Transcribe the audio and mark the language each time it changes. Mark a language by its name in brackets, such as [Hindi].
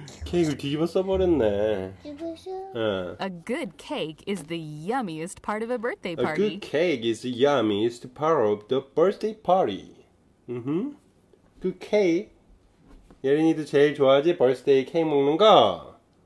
[Korean] 케이크를 뒤집어 써버렸네. [English] 응. A good cake is the yummiest part of a birthday party. A good cake is the yummiest part of the birthday party. 음흠. Good cake. [Korean] 예린이도 제일 좋아하지? 버스데이 케이크 먹는 거?